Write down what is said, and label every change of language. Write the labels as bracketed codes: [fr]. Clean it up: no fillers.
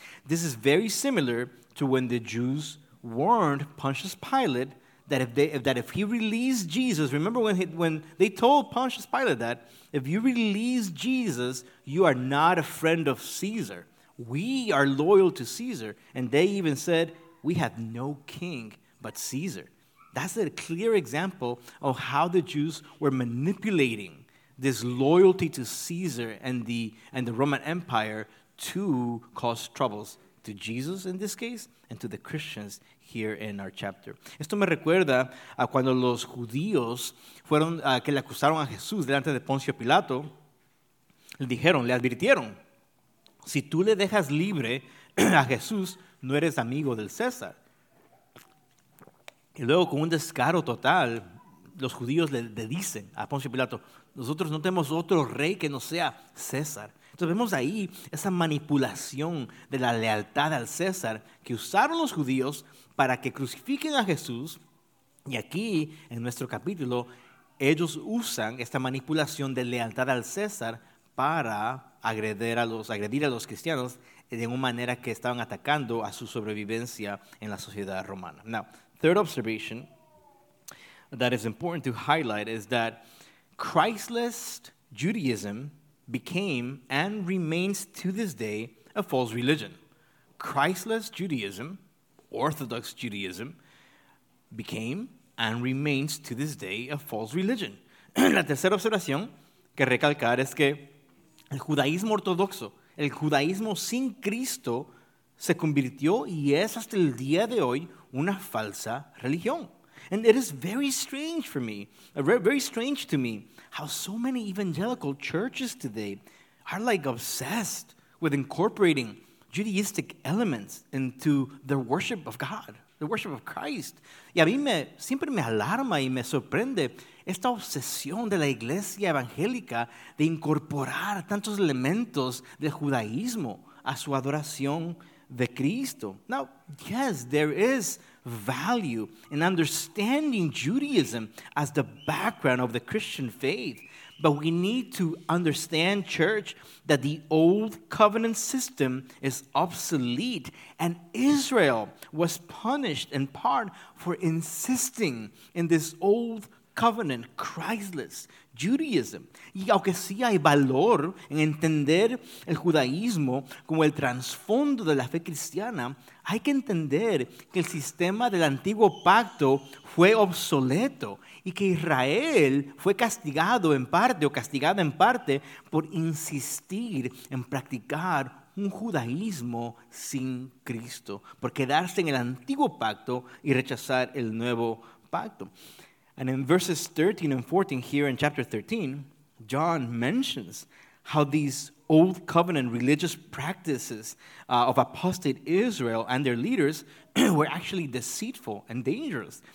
[en] This is very similar to when the Jews warned Pontius Pilate that if he released Jesus, remember when they told Pontius Pilate that, if you release Jesus, you are not a friend of Caesar. We are loyal to Caesar. And they even said, we have no king but Caesar. That's a clear example of how the Jews were manipulating this loyalty to Caesar and the Roman Empire to cause troubles to Jesus in this case and to the Christians here in our chapter. [es] Esto me recuerda a cuando los judíos fueron que le acusaron a Jesús delante de Poncio Pilato. Le dijeron, le advirtieron, si tú le dejas libre a Jesús, no eres amigo del César. Y luego con un descaro total, los judíos le dicen a Poncio Pilato, nosotros no tenemos otro rey que no sea César. Entonces vemos ahí esa manipulación de la lealtad al César que usaron los judíos para que crucifiquen a Jesús. Y aquí, en nuestro capítulo, ellos usan esta manipulación de lealtad al César para agredir a los cristianos de una manera que estaban atacando a su sobrevivencia en la sociedad romana. [en] Now, third observation that is important to highlight is that Christless Judaism became and remains to this day a false religion. Christless Judaism, Orthodox Judaism, became and remains to this day a false religion. [es] La tercera observación que recalcar es que el judaísmo ortodoxo, el judaísmo sin Cristo, se convirtió y es hasta el día de hoy una falsa religión. [en] And it is very strange for me, very strange to me, how so many evangelical churches today are like obsessed with incorporating Judaistic elements into their worship of God, the worship of Christ. [es] Y a mí siempre me alarma y me sorprende esta obsesión de la iglesia evangélica de incorporar tantos elementos del judaísmo a su adoración de Cristo. [en] Now, yes, there is value in understanding Judaism as the background of the Christian faith. But we need to understand, church, that the old covenant system is obsolete. And Israel was punished in part for insisting in this old covenant, Christless Judaism. [es] Y aunque sí hay valor en entender el judaísmo como el trasfondo de la fe cristiana, hay que entender que el sistema del antiguo pacto fue obsoleto y que Israel fue castigado en parte o castigada en parte por insistir en practicar un judaísmo sin Cristo, por quedarse en el antiguo pacto y rechazar el nuevo pacto. [en] And in verses 13 and 14 here in chapter 13, John mentions how these old covenant religious practices of apostate Israel and their leaders were actually deceitful and dangerous.